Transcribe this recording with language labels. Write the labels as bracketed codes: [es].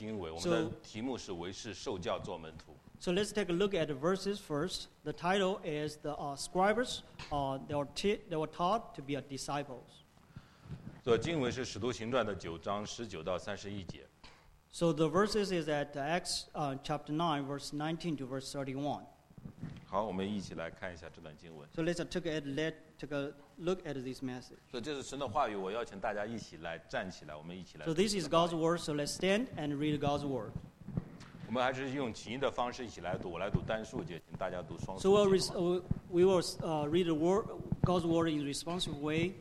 [zh] 好，我们先看这段经文。我们的题目是为是受教做门徒。 [en] So let's take a look at the verses first. The title is the scribes. They were taught to be a disciples. [zh] 这经文是《使徒行传》的九章十九到三十一节。 [en] So the verses is at Acts chapter 9, verse 19 to verse 31. [zh] 好，我们一起来看一下这段经文。 [en] So let's take a look at this message. [zh] 所以这是神的话语，我邀请大家一起来站起来，我们一起来。 [en] So this is God's word, so let's stand and read God's word. [zh] 我们还是用起音的方式一起来读，我来读单数节，请大家读双数节。 [en] So we will read the word God's word in a responsive way.